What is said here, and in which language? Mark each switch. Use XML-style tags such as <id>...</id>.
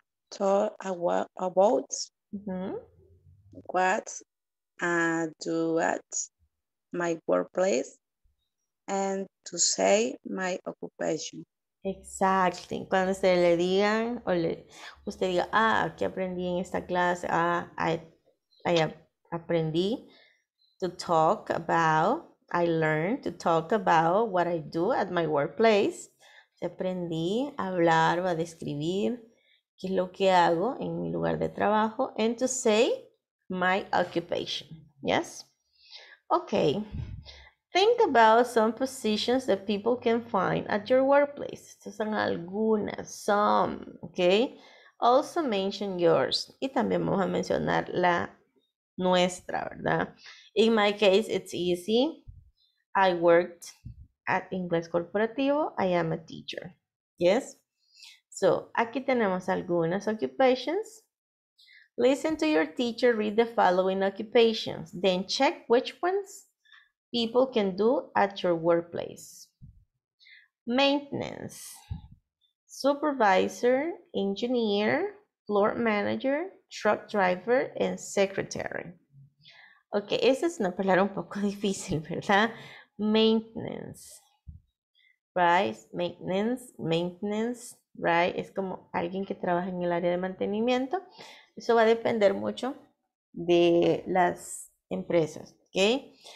<en>Talk about what I do at my workplace and to say my occupation. Exactly.</en> <es>Cuando se le digan o le usted diga, ah, ¿qué aprendí en esta clase?</es> <en>Ah, I</en> <es>aprendí</es> <en>to talk about, I learned to talk about what I do at my workplace.</en> <es>Aprendí a hablar o a describir qué es lo que hago en mi lugar de trabajo,</es> <en>and to say my occupation. Yes? Okay. Think about some positions that people can find at your workplace.</en> <es>Estas son algunas,</es> <en>some, okay? Also mention yours.</en> <es>Y también vamos a mencionar la nuestra, ¿verdad?</es> <en>In my case, it's easy. I worked at Inglés Corporativo. I am a teacher. Yes?</en> <es>So, aquí tenemos algunas occupations.</es> <en>Listen to your teacher read the following occupations. Then check which ones people can do at your workplace. Maintenance. Supervisor, engineer, floor manager, truck driver, and secretary.</en> <es>Ok, esa es una palabra un poco difícil, ¿verdad? Maintenance. Right? Maintenance, right? Es como alguien que trabaja en el área de mantenimiento. Eso va a depender mucho de las empresas, ¿ok?</es>